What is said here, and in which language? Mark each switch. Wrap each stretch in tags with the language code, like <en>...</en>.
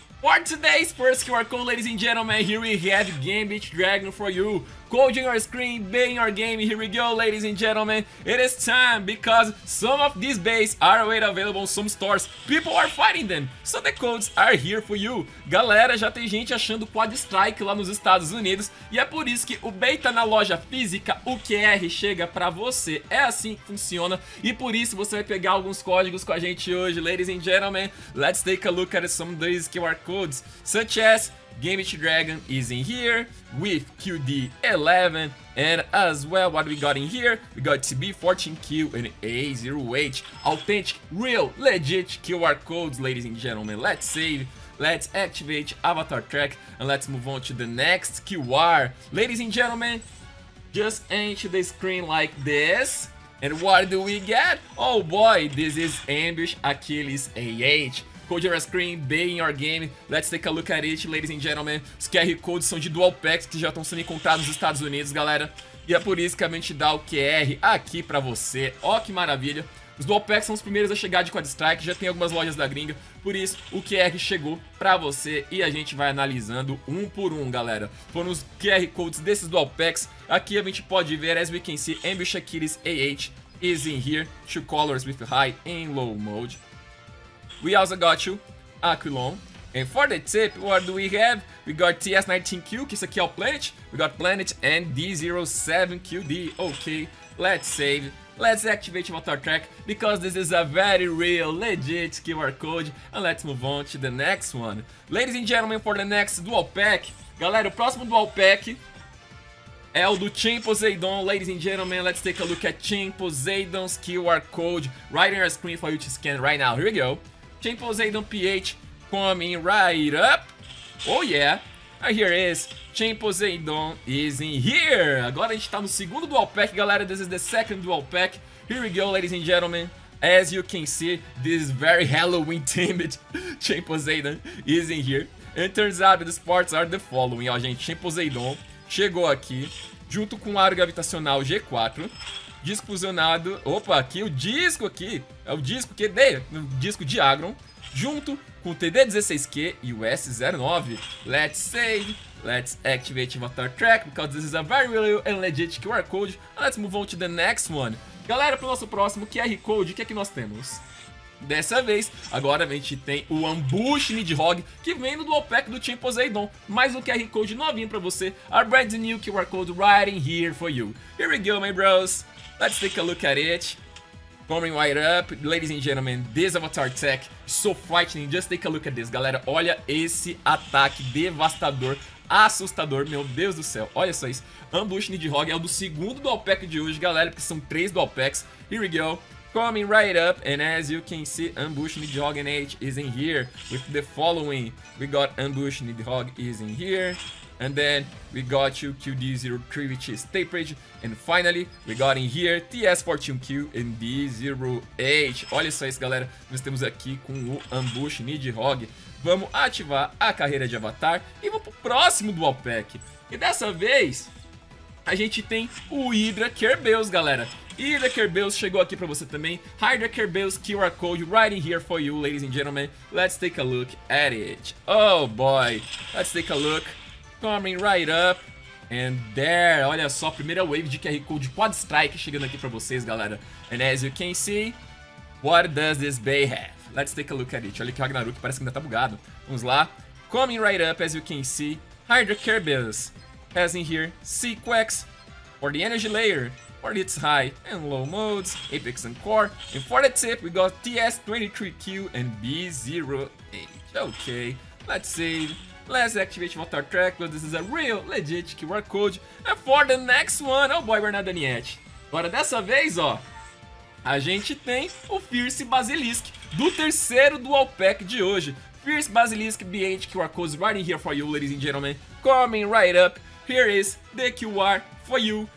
<en>For today's first QR code, ladies and gentlemen, here we have Gambit Dragon for you. Code in your screen, bay in your game, here we go, ladies and gentlemen. It is time, because some of these bays are already available in some stores. People are fighting them, so the codes are here for you.</en> <pt>Galera, já tem gente achando Quad Strike lá nos Estados Unidos, e é por isso que o bay tá na loja física, o QR chega pra você. É assim que funciona, e por isso você vai pegar alguns códigos com a gente hoje,</pt> <en>ladies and gentlemen. Let's take a look at some of these QR codes, such as Gambit Dragon is in here with QD11, and as well, what we got in here, we got TB14Q and A0H, authentic, real, legit QR codes, ladies and gentlemen. Let's save, let's activate Avatar Track, and let's move on to the next QR. Ladies and gentlemen, just enter the screen like this, and what do we get? Oh boy, this is Ambush Achilles AH. Code your screen, bay in your game. Let's take a look at it, ladies and gentlemen.</en> <pt>Os QR codes são de dual packs que já estão sendo encontrados nos Estados Unidos, galera. E é por isso que a gente dá o QR aqui pra você. Ó, que maravilha. Os dual packs são os primeiros a chegar de Quad Strike. Já tem algumas lojas da gringa. Por isso, o QR chegou pra você e a gente vai analisando um por um, galera. Foram os QR codes desses dual packs. Aqui a gente pode ver,</pt> <en>as we can see, Ambush Achilles AH is in here. Two colors with high and low mode. We also got you Aquilon. And for the tip, what do we have? We got TS19Q,</en> <pt>que isso aqui é o Planet.</pt> <en>We got Planet and D07QD. Okay, let's save. Let's activate Avatar Track, because this is a very real, legit QR code. And let's move on to the next one. Ladies and gentlemen, for the next dual pack.</en> <pt>Galera, o próximo dual pack é o do Team Poseidon.</pt> <en>Ladies and gentlemen, let's take a look at Team Poseidon's QR code right on your screen for you to scan right now. Here we go. Team Poseidon PH coming right up. Oh yeah. here is Chain Poseidon is in here.</en> <pt>Agora a gente tá no segundo dual pack, galera.</pt> <en>This is the second dual pack. Here we go, ladies and gentlemen. As you can see, this very Halloween themed Chain Poseidon is in here. And turns out the parts are the following,</en> <pt>ó, gente. Chain Poseidon chegou aqui junto com o aro gravitacional G4. Disco fusionado. Opa, aqui o disco aqui. É o disco que dei, o disco de Agron. Junto com o TD16Q e o S09.</pt> <en>Let's save. Let's activate Avatar Track, because this is a very real and legit QR Code. Let's move on to the next one.</en> <pt>Galera, pro nosso próximo QR Code, o que é que nós temos? Dessa vez, agora a gente tem o Ambush Nidhogg, que vem no dual pack do Chain Poseidon. Mais um QR Code novinho pra você.</pt> <en>Our brand new QR Code right in here for you. Here we go, my bros. Let's take a look at it. Coming right up, ladies and gentlemen, this avatar tech is so frightening. Just take a look at this, galera.</en> <pt>Olha esse ataque devastador, assustador, meu Deus do céu. Olha só isso. Ambush Nidhogg é o do segundo dual pack de hoje, galera, porque são três dual packs.</pt> <en>Here we go. Coming right up, and as you can see, Ambush Nidhogg H is in here with the following. We got Ambush Nidhogg is in here. And then we got you QD03, which is tapered. And finally, we got in here TS14Q and D08.</en> <pt>Olha só isso, galera. Nós temos aqui com o Ambush Nidhogg. Vamos ativar a carreira de avatar e vamos pro próximo dual pack. E dessa vez, a gente tem o Hydra Kerbeus, galera.</pt> <en>Hydra Kerbeus</en> <pt>chegou aqui pra você também.</pt> <en>Hydra Kerbeus QR Code right in here for you, ladies and gentlemen. Let's take a look at it. Oh boy, let's take a look. Coming right up, and there,</en> <pt>olha só, primeira wave de QR Code Quad Strike chegando aqui pra vocês, galera.</pt> <en>And as you can see, what does this bay have? Let's take a look at it.</en> <pt>Olha que o Ragnarok parece que ainda tá bugado. Vamos lá.</pt> <en>Coming right up, as you can see, Hydra Kerbeus has in here Sequex for the energy layer, for its high and low modes, apex and core. And for the tip, we got TS23Q and B08. Okay, let's save. Let's activate Avatar Track, because this is a real, legit QR Code. And for the next one, oh boy, we're not done yet.</en> <pt>Agora, dessa vez, ó, a gente tem o Fierce Basilisk, do terceiro Dual Pack de hoje.</pt> <en>Fierce Basilisk, B8 QR Codes right in here for you, ladies and gentlemen. Coming right up, here is the QR for you.</en>